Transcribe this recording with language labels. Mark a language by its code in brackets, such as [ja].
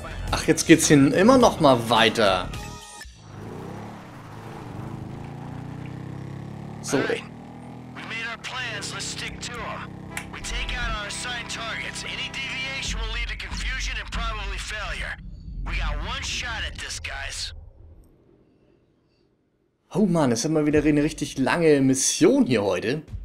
[de] Ach, jetzt geht's hin immer noch mal weiter. So. [en] We made our plans, let's stick to them. We take out our assigned targets. Any deviation will lead to confusion and probably failure. We got one shot at this, guys. [de] Oh man, ist immer wieder eine richtig lange Mission hier heute.